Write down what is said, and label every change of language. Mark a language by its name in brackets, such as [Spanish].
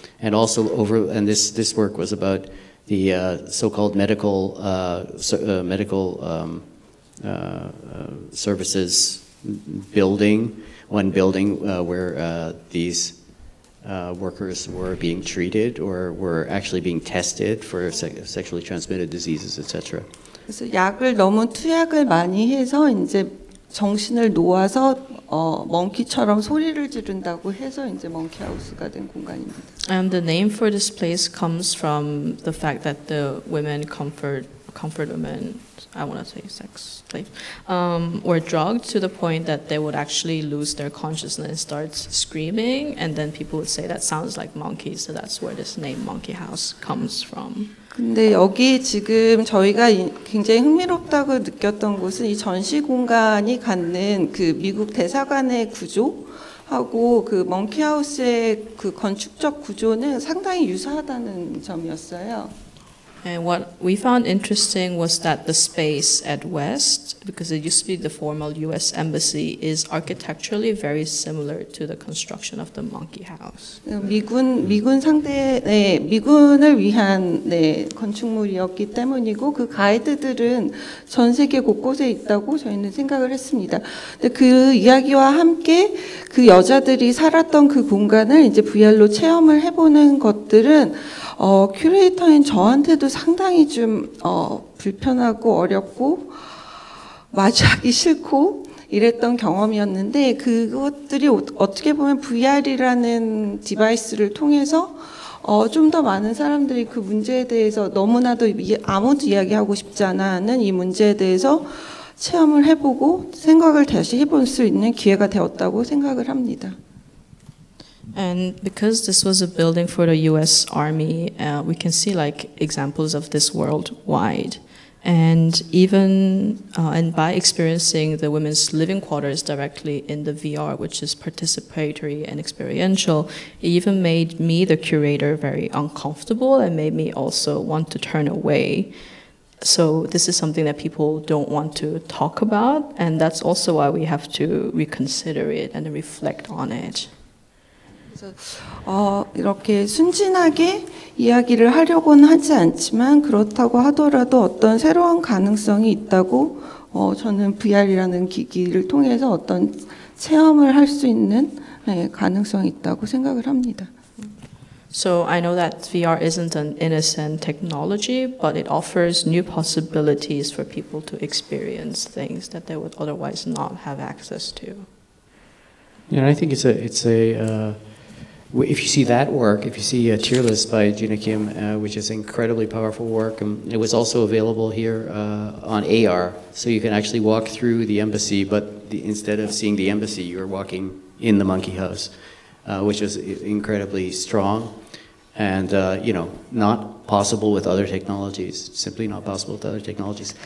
[English] And also this work was about the so-called medical services building, one building where these workers were being treated or were actually being tested for sexually transmitted diseases, etc. [Korean] 그래서 약을 너무 투약을 많이 해서 이제 정신을 놓아서 멍키처럼 소리를 지른다고 해서 이제 멍키 하우스가 된 공간입니다. [English] And the name for this place comes from the fact that the women comfort women, I want to say sex slaves, were drugged to the point that they would actually lose their consciousness and start screaming, and then people would say that sounds like monkeys, so that's where this name Monkey House comes from. [Korean] 근데 여기 지금 저희가 굉장히 흥미롭다고 느꼈던 곳은 이 전시 공간이 갖는 그 미국 대사관의 구조하고 그 Monkey House의 그 건축적 구조는 상당히 유사하다는 점이었어요. [English] And what we found interesting was that the space at West, because it used to be the former U.S. Embassy, is architecturally very similar to the construction of the Monkey House. [Korean] 미군을 위한 네, 건축물이었기 때문이고 그 가이드들은 전 세계 곳곳에 있다고 저희는 생각을 했습니다. 근데 그 이야기와 함께 그 여자들이 살았던 그 공간을 이제 VR로 체험을 해보는 것들은 큐레이터인 저한테도 상당히 좀 불편하고 어렵고 마주하기 싫고 이랬던 경험이었는데 그것들이 어떻게 보면 VR이라는 디바이스를 통해서 좀 더 많은 사람들이 그 문제에 대해서 너무나도 아무도 이야기하고 싶지 않은 이 문제에 대해서 체험을 해보고 생각을 다시 해볼 수 있는 기회가 되었다고 생각을 합니다. [English] And because this was a building for the U.S. Army, we can see like examples of this worldwide. And even and by experiencing the women's living quarters directly in the VR, which is participatory and experiential, it even made me, the curator, very uncomfortable and made me also want to turn away. So this is something that people don't want to talk about, and that's also why we have to reconsider it and reflect on it. [Korean] 이렇게 순진하게 이야기를 하려고는 하지 않지만 그렇다고 하더라도 어떤 새로운 가능성이 있다고 저는 VR이라는 기기를 통해서 어떤 체험을 할 수 있는 가능성이 있다고 생각을 합니다. [English] So I know that VR isn't an innocent technology, but it offers new possibilities for people to experience things that they would otherwise not have access to. Yeah, I think if you see that work, if you see Tier List by Gina Kim, which is incredibly powerful work, and it was also available here on AR, so you can actually walk through the embassy, but instead of seeing the embassy, you're walking in the Monkey House, which is incredibly strong and, you know, not possible with other technologies, simply not possible with other technologies.